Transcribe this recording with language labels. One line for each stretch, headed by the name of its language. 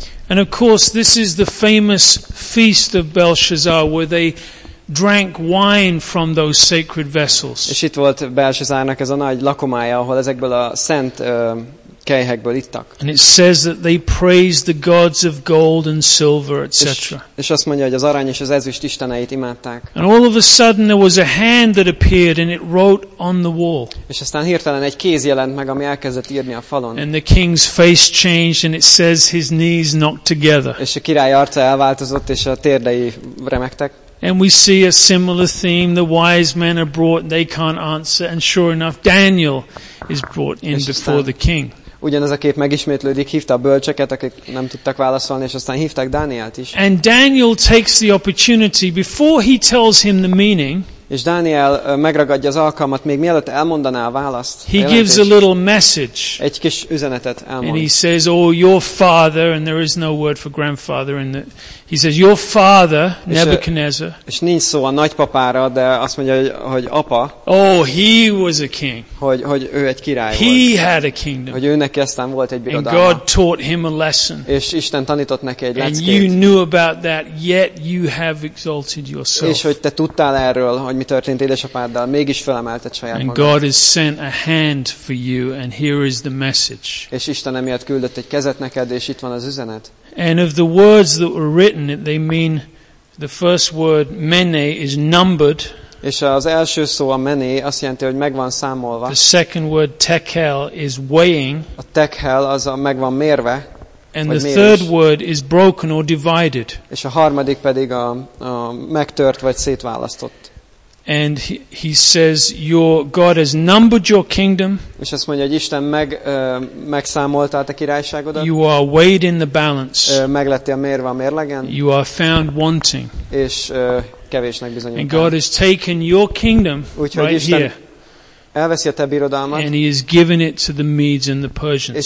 English: And of course, this is the famous feast of Belshazzar, where they drank wine from those sacred vessels.
Hungarian: És itt volt Belshazzárnak ez a nagy lakomája, ahol ezekből a szent kelyhekből ittak.
English: And it says that they praised the gods of gold and silver, etc.
Hungarian: És azt mondja, hogy az arany és az ezüst isteneit imádták.
English: And all of a sudden there was a hand that appeared and it wrote on the wall.
Hungarian: És aztán hirtelen egy kéz jelent meg, ami elkezdett írni a falon.
English: And the king's face changed and it says his knees knocked together.
Hungarian: És a király arca elváltozott és a térdei remegtek.
English: And we see a similar theme, the wise men are brought, they can't answer, and sure enough, Daniel is brought in before the king.
Hungarian: Ugyanez a kép megismétlődik, hívta a bölcseket, akik nem tudtak válaszolni, és aztán hívták Dánielt is.
English: And Daniel takes the opportunity, before he tells him the meaning,
Hungarian: és Dániel megragadja az alkalmat, még mielőtt elmondaná a választ.
English: He gives a little message.
Hungarian: Egy kis üzenetet elmond.
English: And he says, oh, your father, and there is no word for grandfather in the... He says, your father, Nebuchadnezzar.
Hungarian: És nincs szó a nagypapára, de azt mondja, hogy apa.
English: Oh, he was a king.
Hungarian: Hogy ő egy király
English: he
Hungarian: volt.
English: He had a kingdom.
Hungarian: Hogy őnek aztán volt egy birodalma.
English: And God taught him a lesson.
Hungarian: És Isten tanított neki egy leckét.
English: And you knew about that, yet you have exalted yourself.
Hungarian: És hogy te tudtál erről, hogy mi történt édesapáddal, mégis felemelted saját magad.
English: And God has sent a hand for you, and here is the message.
Hungarian: És Isten emiatt küldött egy kezet neked, és itt van az üzenet.
English: And of the words that were written, they mean the first word mene is numbered.
Hungarian: És az első szó a mene azt jelenti, hogy megvan számolva.
English: The second word tekel is weighing.
Hungarian: A tekel az a megvan mérve.
English: And the third word is broken or divided.
Hungarian: És a harmadik pedig a megtört vagy szétválasztott.
English: And he says, your God has numbered your kingdom.
Hungarian: És azt mondja, hogy Isten megszámolta a királyságodat.
English: You are weighed in the balance.
Hungarian: Meglettél mérve a mérlegen.
English: You are found wanting.
Hungarian: És kevésnek bizonyult.
English: And God has taken your kingdom right here.
Hungarian: Elveszi a te birodalmat.
English: And he has given it to the Medes and the Persians.